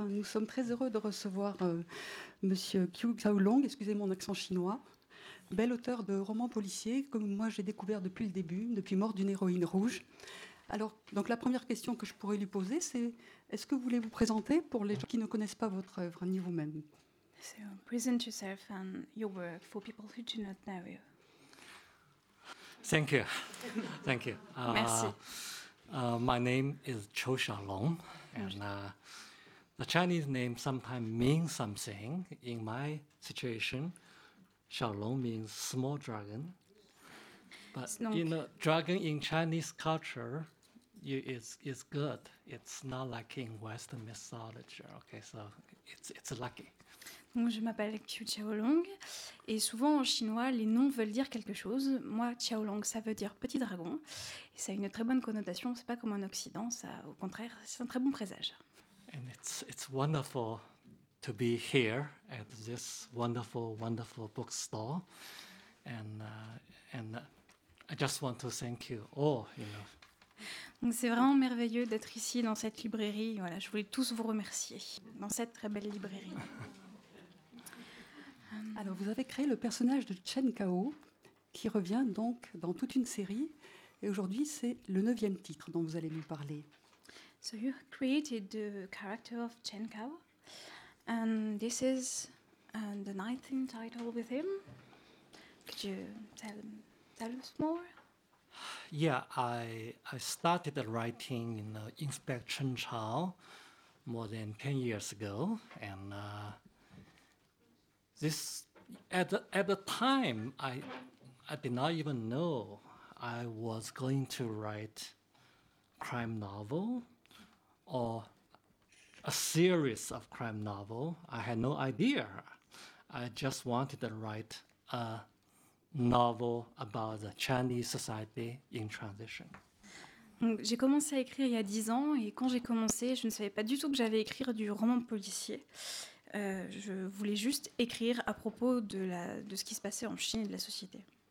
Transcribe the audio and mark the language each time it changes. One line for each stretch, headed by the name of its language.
French: Nous sommes très heureux de recevoir Monsieur Qiu Xiaolong, excusez mon accent chinois, bel auteur de romans policiers que moi j'ai découvert depuis le début, depuis Mort d'une héroïne rouge. Alors, donc la première question que je pourrais lui poser, c'est est-ce que vous voulez vous présenter pour les gens qui ne connaissent pas votre œuvre ni vous-même?
English: So, present yourself and your work for people who do not know you. Thank you. Thank you. My name is Qiu Xiaolong, and the Chinese name sometimes means something. In my situation, Xiaolong means small dragon. But you know, dragon in Chinese culture is good. It's not like in Western mythology. Okay, so it's lucky.
French: Donc, je m'appelle Qiu Xiaolong, et souvent en chinois, les noms veulent dire quelque chose. Moi, Xiaolong, ça veut dire petit dragon, et ça a une très bonne connotation, c'est pas comme en Occident, ça, au contraire, c'est un très bon présage.
English: And it's wonderful to be here at this wonderful, wonderful bookstore, and I just want to thank you all, you know.
French: Donc c'est vraiment merveilleux d'être ici dans cette librairie, voilà, je voulais tous vous remercier, dans cette très belle librairie. Alors, vous avez créé le personnage de Chen Kao, qui revient donc dans toute une série, et aujourd'hui c'est le 9e titre dont vous allez nous parler.
English: So you created the character of Chen Kao, and this is the 9th title with him. Could you tell us more? Yeah, I started writing in Inspector Chen Chao more than 10 years ago, and this at the time I did not even know I was going to write crime novel or a series of crime novel. I had no idea. I just wanted to write a novel about the Chinese society in transition.
French: Donc, j'ai commencé à écrire il y a 10 ans, et quand j'ai commencé, je ne savais pas du tout que j'allais écrire du roman policier. Je voulais juste écrire à propos de ce qui se passait en Chine et de la société.